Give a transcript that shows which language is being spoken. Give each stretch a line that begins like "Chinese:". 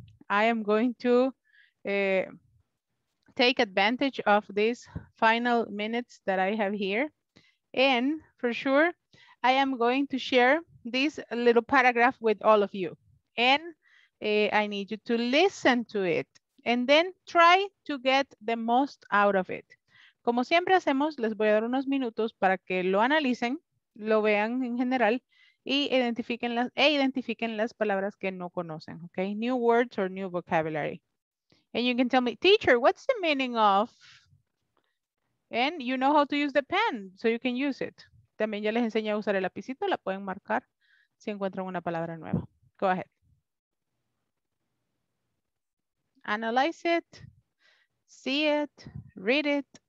English: I am going to take advantage of these final minutes that I have here. And for sure, I am going to share this little paragraph with all of you. And I need you to listen to it and then try to get the most out of it.
Spanish: Como siempre hacemos, les voy a dar unos minutos para que lo analicen, lo vean en general y identifiquen las palabras que no conocen.
English: Okay, new words or new vocabulary. And you can tell me, teacher, what's the meaning of? And you know how to use the pen, so you can use it.
Spanish: También ya les enseñé a usar el lapicito, la pueden marcar si encuentran una palabra nueva.
English: Go ahead. Analyze it, see it, read it.